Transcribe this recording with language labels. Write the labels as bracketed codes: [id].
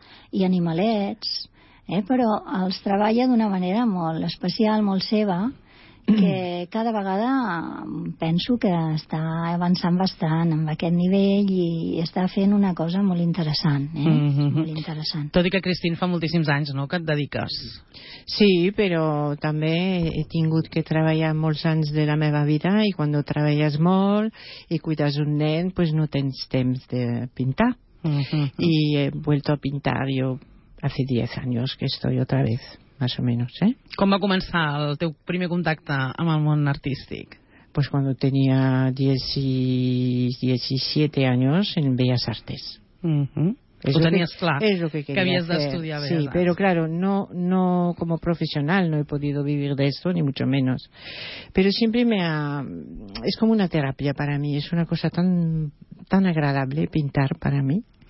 [ca] I animalets, però els treballa d'una manera molt especial, molt seva, que cada vegada penso que està avançant bastant amb aquest nivell i està fent una cosa molt interessant, Molt interessant. Tot i que, Christine, fa moltíssims anys, no?, que et dediques. Sí, però també he tingut que treballar molts anys de la meva vida i quan treballes molt i cuides un nen, pues no tens temps de pintar. [es] I he vuelto a pintar jo hace 10 años que estoy otra vez. Más o menos, ¿eh? [ca] Com va començar el teu primer contacte amb el món artístic? [es] Pues cuando tenía 17 años en Bellas Artes. [ca] Ho tenies clar, que havies d'estudiar [es] Bellas Artes. Sí, pero claro, no como profesional, no he podido vivir de esto, ni mucho menos. Pero siempre es como una terapia para mí, es una cosa tan agradable pintar para mí.